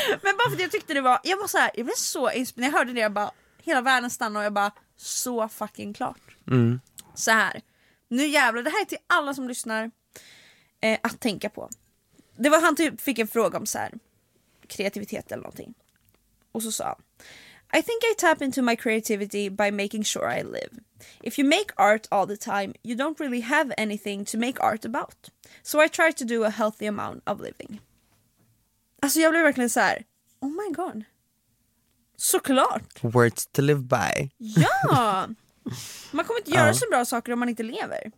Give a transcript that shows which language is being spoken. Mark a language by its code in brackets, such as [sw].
[sv] Men bara för att jag tyckte det var, jag var så här, jag blev så inspirerad. Jag hörde det, jag bara, hela världen stannade och jag bara, så fucking klart. Mm. Så här. Nu jävlar, det här är till alla som lyssnar att tänka på. Det var han typ fick en fråga om så här, kreativitet eller någonting. Och så sa han, [en] I think I tap into my creativity by making sure I live. If you make art all the time, you don't really have anything to make art about. So I try to do a healthy amount of living. [sv] Alltså jag blev verkligen så här, [en] oh my god. [sv] Såklart. [en] Words to live by. [sv] Ja. Man kommer inte göra så bra saker om man inte lever.